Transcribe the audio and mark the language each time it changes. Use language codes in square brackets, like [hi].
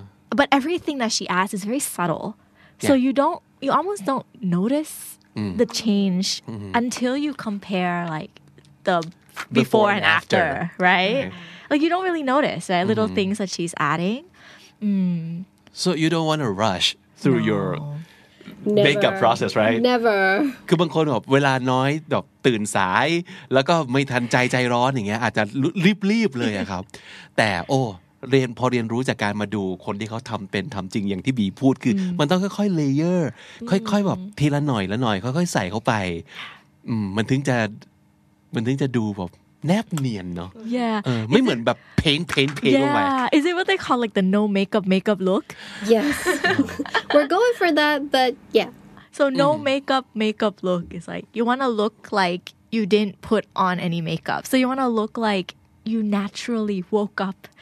[en] But everything that she adds is very subtle. So you almost don't notice the change until you compare like the before and after, right? Like you don't really notice, right? Little things that she's adding. So you don't want to rush through your makeup process, right? Never. [th] คือบางคนแบบเวลาน้อยแบบตื่นสายแล้วก็ไม่ทันใจร้อนอย่างเงี้ยอาจจะรีบๆเลยอะครับแต่โอ้เรียนพอเรียนรู้จากการมาดูคนที่เขาทำเป็นทำจริงอย่างที่บีพูดคือมันต้องค่อยๆเลเยอร์ค่อยๆแบบทีละหน่อยละหน่อยค่อยๆใส่เข้าไปมันถึงจะดูแบบแนบเนียนเนาะ [en] Yeah [th] ไม่เหมือนแบบเพ้งลงมา [en] Yeah is it what they call like the no makeup look Yes we're going for that but yeah so no makeup look is like you want to look like you didn't put on any makeup so you want to look like you naturally woke up